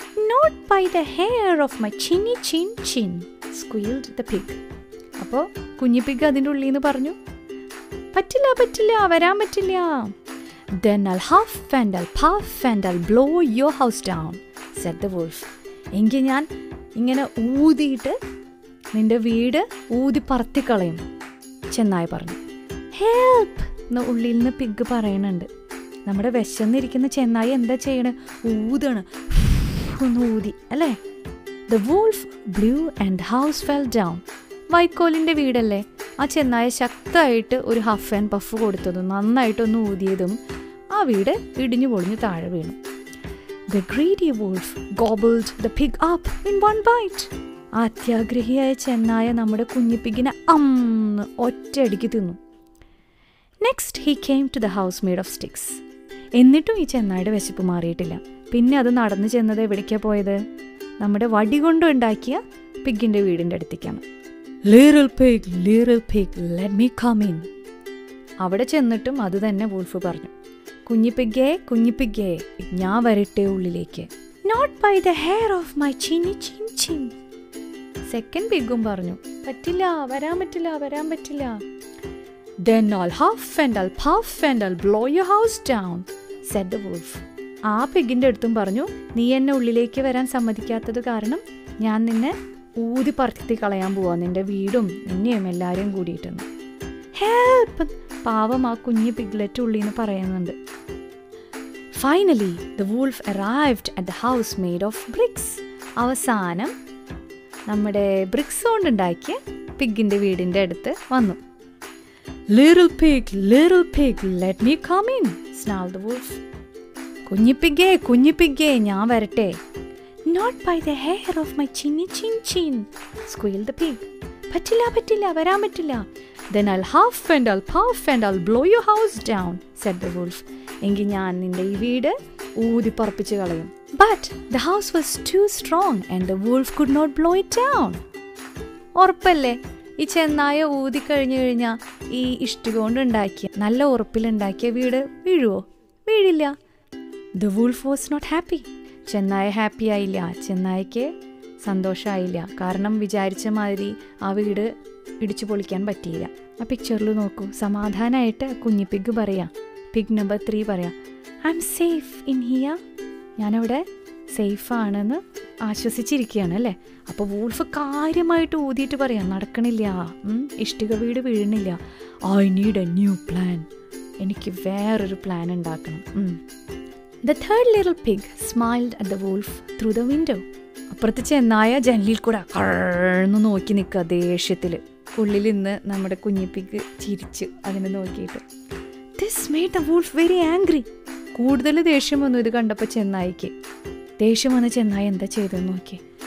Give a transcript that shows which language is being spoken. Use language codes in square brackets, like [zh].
[en] Not by the hair of my chinny chin chin, squealed the pig. [ml] അപ്പോ കുഞ്ഞി pig അതിൻ്റെ ഉള്ളിൽ നിന്ന് പറഞ്ഞു, പറ്റില്ല പറ്റില്ല, വരാൻ പറ്റില്ല. [en] Then I'll huff and I'll puff and I'll blow your house down, said the wolf. [ml] എങ്കിൽ ഞാൻ ഇങ്ങനെ ഊതിയിട്ട് നിന്റെ വീട് ഊതി പറത്തിക്കളയും, ചെന്നായി പറഞ്ഞു. [en] Help! [ml] എന്ന് ഉള്ളിൽ നിന്ന് പിഗ് പറയണുണ്ട്. നമ്മുടെ വിശന്നിരിക്കുന്ന ചെന്നായി എന്താ ചെയ്യണേ, ഊതണ് ഒന്ന് ഊതി അല്ലേ. [en] The wolf blew and house fell down. [ml] വൈക്കോലിൻ്റെ വീടല്ലേ, ആ ചെന്നായ ശക്തമായിട്ട് ഒരു ഹഫ് ആൻഡ് പഫ് കൊടുത്തതും നന്നായിട്ടൊന്ന് ഊതിയതും ആ വീട് ഇടിഞ്ഞു പൊളിഞ്ഞ് താഴെ വീണു. [en] The greedy wolf gobbled the pig up in one bite. [ml] ആ അത്യാഗ്രഹിയായ ചെന്നായ നമ്മുടെ കുഞ്ഞി പിഗിനെ അമ്മ ഒറ്റയടിക്ക് തിന്നു. [en] Next he came to the house made of sticks. [ml] എന്നിട്ടും ഈ ചെന്നായയുടെ വിശപ്പ് മാറിയിട്ടില്ല. പിന്നെ അത് നടന്നു ചെന്നത് എവിടേക്കാണ് പോയത്? നമ്മുടെ വടി കൊണ്ട് ഉണ്ടാക്കിയ പിഗിൻ്റെ വീടിൻ്റെ അടുത്തേക്കാണ്. [en] Little pig, let me come in. [ml] അവിടെ ചെന്നിട്ടും അത് തന്നെ വോൾഫ് പറഞ്ഞു. കുഞ്ഞിപ്പിഗേ, ഞാൻ വരട്ടെ ഉള്ളിലേക്ക്. [en] Not by the hair of my chinny chin chin. [ml] Second പിഗും പറഞ്ഞു, പറ്റില്ല, വരാൻ പറ്റില്ല, വരാൻ പറ്റില്ല. [en] Then I'll huff and I'll puff and I'll blow your house down, said the wolf. [ml] ആ പിഗിൻ്റെ അടുത്തും പറഞ്ഞു, നീ എന്നെ ഉള്ളിലേക്ക് വരാൻ സമ്മതിക്കാത്തത് കാരണം ഞാൻ നിന്നെ ഊതി പറത്തി കളയാൻ പോവാ, നിന്റെ വീടും നിന്നെയും എല്ലാവരെയും കൂടിയിട്ടെന്ന്. [en] Help! [ml] പാവം ആ കുഞ്ഞു പിഗ്ലെറ്റ് ഉള്ളിൽ നിന്ന് പറയുന്നുണ്ട്. [en] Finally the wolf arrived at the house made of bricks. [ml] അവസാനം നമ്മുടെ ബ്രിക്സ് കൊണ്ടുണ്ടാക്കിയ പിഗിന്റെ വീടിന്റെ അടുത്ത് വന്നു. [en] Little pig, let me come in, snarled the wolf. [ml] കുഞ്ഞിപ്പിഗേ, ഞാൻ വരട്ടെ. [en] Not by the hair of my chinny chin chin, squealed the pig. [ml] പറ്റില്ല പറ്റില്ല, വരാൻ പറ്റില്ല. [en] Then I'll huff and I'll puff and I'll blow your house down, said the wolf. [ml] എങ്കിൽ ഞാൻ നിന്റെ ഈ വീട് ഊതി പറപ്പിച്ചു കളയും. [en] But the house was too strong and the wolf could not blow it down. [ml] ഉറപ്പല്ലേ, ഈ ചെന്നായ ഊതി കഴിഞ്ഞു കഴിഞ്ഞാൽ ഈ ഇഷ്ടിക കൊണ്ട് ഉണ്ടാക്കിയ നല്ല ഉറപ്പിലുണ്ടാക്കിയ വീട് വീഴുവോ? വീഴില്ല. [en] The wolf was not happy. [ml] ചെന്നായ ഹാപ്പി ആയില്ല, ചെന്നായിക്ക് സന്തോഷമായില്ല. കാരണം വിചാരിച്ച മാതിരി ആ വീട് ഇടിച്ചു പൊളിക്കാൻ പറ്റിയില്ല. ആ പിക്ചറിൽ നോക്കൂ, സമാധാനമായിട്ട് കുഞ്ഞി പിഗ് പറയാം, പിഗ് നമ്പർ 3 പറയാം, [en] I'm safe in here. [ml] ഞാനവിടെ സേഫാണെന്ന് ആശ്വസിച്ചിരിക്കുകയാണ് അല്ലേ. അപ്പോൾ വൂൾഫ് കാര്യമായിട്ട് ഊതിയിട്ട് പറയാം, നടക്കണില്ല, ഇഷ്ടിക വീട് വീഴണില്ല. [en] I need a new plan, [ml] എനിക്ക് വേറൊരു പ്ലാൻ ഉണ്ടാക്കണം. [en] The third little pig smiled at the wolf through the window. [ml] അപ്പുറത്തെ ചെന്നായ ജനലിൽ കൂടെ കഴന്ന് നോക്കി നിൽക്കുക ദേഷ്യത്തിൽ. ഉള്ളിൽ നിന്ന് നമ്മുടെ കുഞ്ഞി പിഗ് ചിരിച്ചു അതിനെ നോക്കിയിട്ട്. [en] This made the wolf very angry. [ml] കൂടുതൽ ദേഷ്യം വന്നു ഇത് കണ്ടപ്പോൾ ചെന്നായിക്ക്. ദേഷ്യം വന്ന ചെന്നായ എന്താ ചെയ്തതെന്ന് നോക്കി.